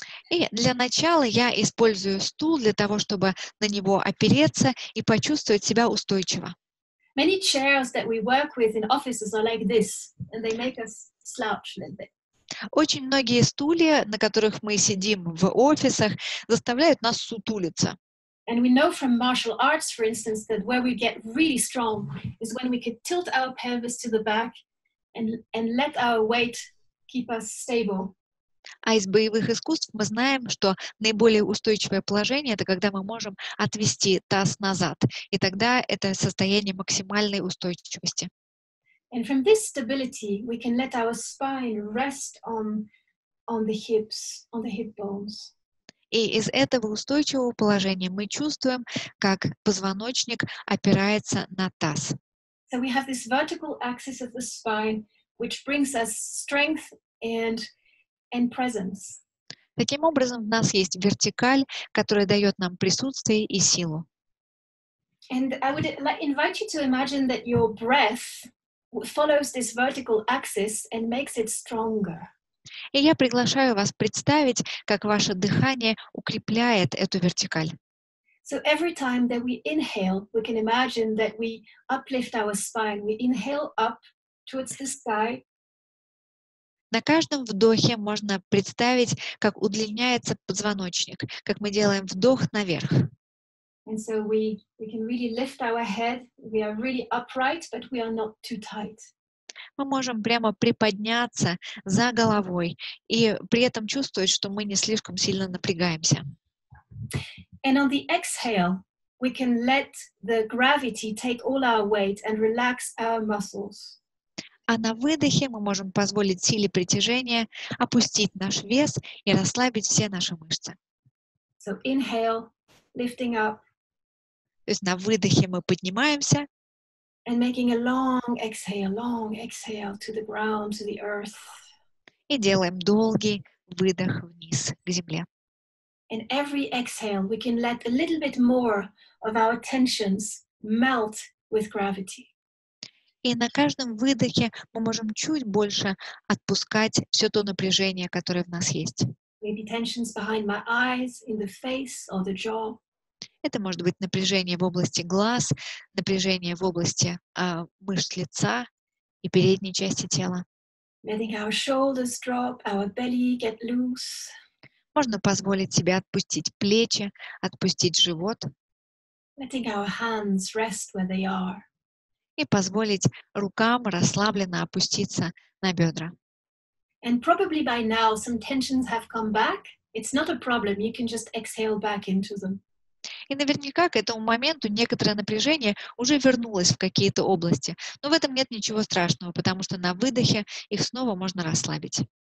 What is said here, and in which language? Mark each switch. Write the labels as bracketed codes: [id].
[ru] И для начала я использую стул для того, чтобы на него опереться и почувствовать себя устойчиво. [en] Many chairs that we work with in offices are like this, and they make us slouch a little bit. [ru] Очень многие стулья, на которых мы сидим в офисах, заставляют нас сутулиться. [en] And we know from martial arts, for instance, that where we get really strong is when we can tilt our pelvis to the back and let our weight keep us stable. [ru] А из боевых искусств мы знаем, что наиболее устойчивое положение — это когда мы можем отвести таз назад, и тогда это состояние максимальной устойчивости. [en] And from this stability, we can let our spine rest on the hips, on the hip bones. [ru] И из этого устойчивого положения мы чувствуем, как позвоночник опирается на таз. [en] So we have this vertical axis of the spine, which brings us strength and presence. [ru] Таким образом, у нас есть вертикаль, которая дает нам присутствие и силу. [en] And I would invite you to imagine that your breath follows this vertical axis and makes it stronger. [ru] И я приглашаю вас представить, как ваше дыхание укрепляет эту вертикаль. [en] So every time that we inhale, we can imagine that we uplift our spine. We inhale up towards the sky. [ru] На каждом вдохе можно представить, как удлиняется позвоночник, как мы делаем вдох наверх. [en] And so we can really lift our head. We are really upright, but we are not too tight. [ru] Мы можем прямо приподняться за головой и при этом чувствовать, что мы не слишком сильно напрягаемся. [en] And on the exhale, we can let the gravity take all our weight and relax our muscles. [ru] А на выдохе мы можем позволить силе притяжения опустить наш вес и расслабить все наши мышцы. [en] So inhale, lifting up. [ru] То есть на выдохе мы поднимаемся. [en] And making a long exhale to the ground, to the earth. [ru] И делаем долгий выдох вниз, к земле. [en] And every exhale, we can let a little bit more of our tensions melt with gravity. [ru] И на каждом выдохе мы можем чуть больше отпускать все то напряжение, которое в нас есть. [en] Maybe tensions behind my eyes, in the face or the jaw. [ru] Это может быть напряжение в области глаз, напряжение в области мышц лица и передней части тела. [en] Letting our shoulders drop, our belly get loose. [ru] Можно позволить себе отпустить плечи, отпустить живот. [en] Letting our hands rest where they are. [ru] И позволить рукам расслабленно опуститься на бедра. [en] And probably by now some tensions have come back. It's not a problem. You can just exhale back into them. [ru] И наверняка к этому моменту некоторое напряжение уже вернулось в какие-то области. Но в этом нет ничего страшного, потому что на выдохе их снова можно расслабить.